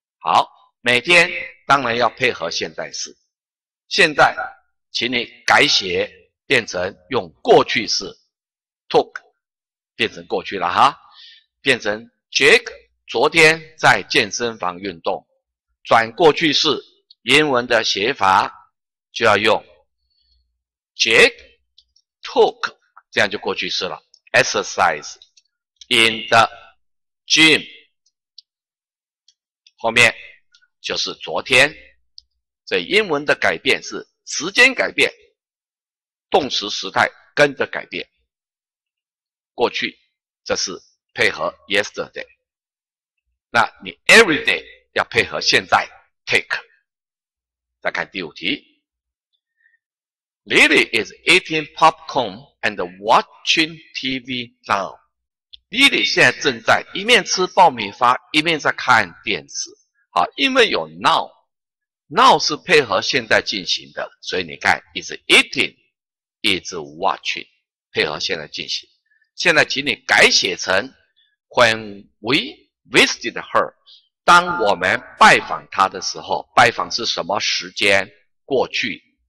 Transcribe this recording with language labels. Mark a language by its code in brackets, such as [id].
[zh] 好，每天当然要配合现在式。现在请你改写变成用过去式 took， 变成过去了哈，变成 Jack 昨天在健身房运动。转过去式英文的写法就要用 Jack took， 这样就过去式了。 [en] Exercise in the gym， [zh] 后面就是昨天。所以英文的改变是时间改变，动词时态跟着改变。过去这是配合 yesterday， 那你 every day 要配合现在 take。 [en] 再看第五题， Lily is eating popcorn and watching TV now。 [zh] Lily 现在正在一面吃爆米花一面在看电视。好，因为有 now， now 是配合现在进行的，所以你看 [en] is eating is watching， [zh] 配合现在进行。现在请你改写成 [en] when we visited her， [zh] 当我们拜访她的时候，拜访是什么时间？过去。